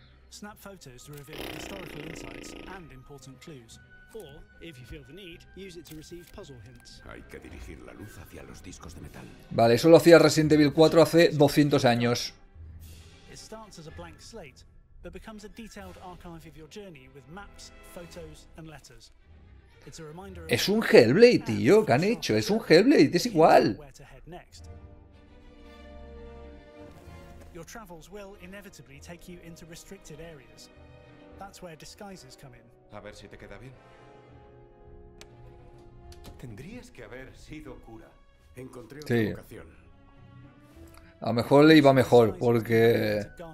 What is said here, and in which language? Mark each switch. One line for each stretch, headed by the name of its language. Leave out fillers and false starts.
English: Snap photos to reveal historical insights and important clues. Or, if you feel the need, use it to receive puzzle hints.
Spanish: Hay que dirigir la luz hacia los discos de metal. Vale, eso lo hacía Resident Evil 4 hace 200 años.
English: It starts as a blank slate, but becomes a detailed archive of your journey with maps, photos and letters.
Spanish: Es un Hellblade, tío. ¿Qué han hecho? Es un Hellblade, es igual.
English: Your travels will inevitably take you into restricted areas. That's where disguises come in.
Spanish: A ver si te queda bien. Tendrías que haber sido cura. Encontré una vocación. A lo mejor le iba mejor, porque...